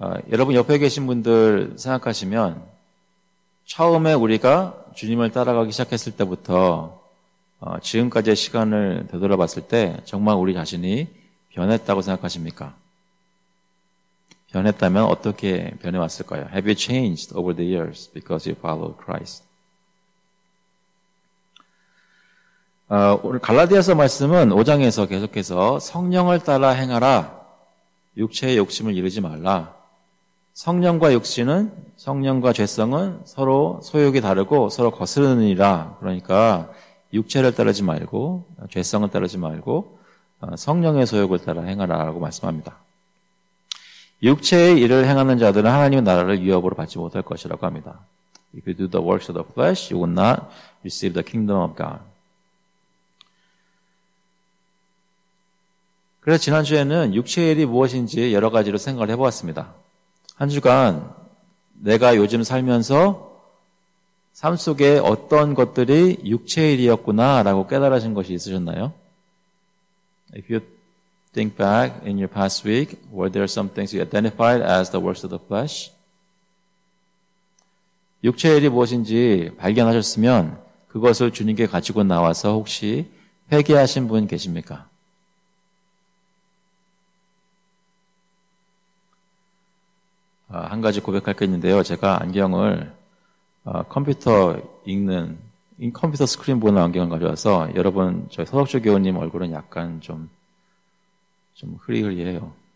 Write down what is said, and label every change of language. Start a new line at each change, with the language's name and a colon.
Korean: 여러분 옆에 계신 분들 생각하시면 처음에 우리가 주님을 따라가기 시작했을 때부터 지금까지의 시간을 되돌아봤을 때 정말 우리 자신이 변했다고 생각하십니까? 변했다면 어떻게 변해왔을까요?
English: Have you changed over the years because you follow Christ?
Korean: 오늘 갈라디아서 말씀은 5장에서 계속해서 성령을 따라 행하라, 육체의 욕심을 이루지 말라. 성령과 육신은, 성령과 죄성은 서로 소욕이 다르고 서로 거스르느니라. 그러니까 육체를 따르지 말고 죄성을 따르지 말고 성령의 소욕을 따라 행하라고 말씀합니다. 육체의 일을 행하는 자들은 하나님의 나라를 위협으로 받지 못할 것이라고 합니다.
English: If you do the works of the flesh, you will not receive the kingdom of God.
Korean: 그래서 지난주에는 육체의 일이 무엇인지 여러 가지로 생각을 해보았습니다. 한 주간 내가 요즘 살면서 삶 속에 어떤 것들이 육체의 일이었구나라고 깨달으신 것이 있으셨나요?
English: If you think back in your past week, were there some things you identified as the works of the flesh?
Korean: 육체의 일이 무엇인지 발견하셨으면 그것을 주님께 가지고 나와서 혹시 회개하신 분 계십니까? 한 가지 고백할 게 있는데요. 제가 안경을 컴퓨터 읽는 컴퓨터 스크린 보는 안경을 가져와서 여러분 저희 서덕주 교우님 얼굴은 약간 좀 흐리흐리해요.